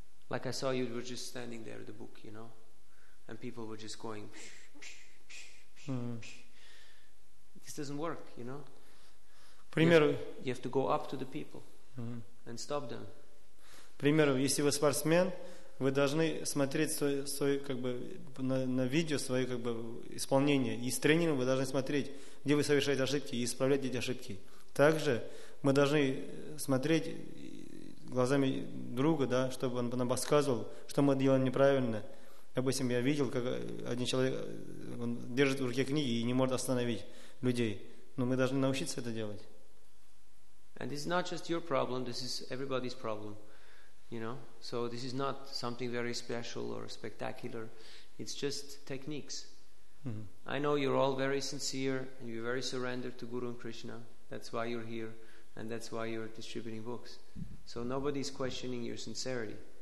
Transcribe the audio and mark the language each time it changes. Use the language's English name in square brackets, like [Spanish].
[English] Like I saw you were just standing there with the book, you know. And people were just going, psh, psh, psh, psh, psh. This doesn't work, you know. You have to go up to the people and stop them. [Russian] Примеру, если вы спортсмен, вы должны смотреть свой, как бы, на видео свое, как бы, исполнение. И с тренером вы должны смотреть, где вы совершаете ошибки, и исправлять эти ошибки. Также мы должны смотреть глазами друга, да, чтобы он нам подсказывал, что мы делаем неправильно. Допустим, я видел, как один человек, он держит в руке книги и не может остановить людей. Но мы должны научиться это делать. [English] And this is not just your problem, this is everybody's problem. You know, so this is not something very special or spectacular. It's just techniques. I know you're all very sincere and you're very surrendered to Guru and Krishna. That's why you're here and that's why you're distributing books. So nobody's questioning your sincerity.